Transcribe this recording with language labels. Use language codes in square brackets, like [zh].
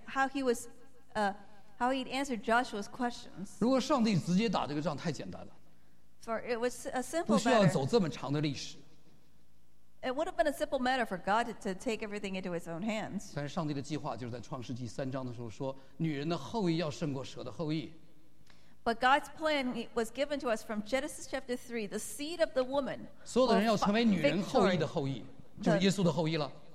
[en] How he answered Joshua's questions? [zh] 如果上帝直接打这个仗太简单了 [en] ，For it was a simple matter. [zh] 不需要走这么长的历史。 [en] It would have been a simple matter for God to take everything into His own hands. [zh] 但是上帝的计划就是在创世纪三章的时候说，女人的后裔要胜过蛇的后裔。 [en] But God's plan was given to us from Genesis chapter 3, the seed of the woman. [zh] 所有的人要成为女人后裔的后裔，就是耶稣的后裔了。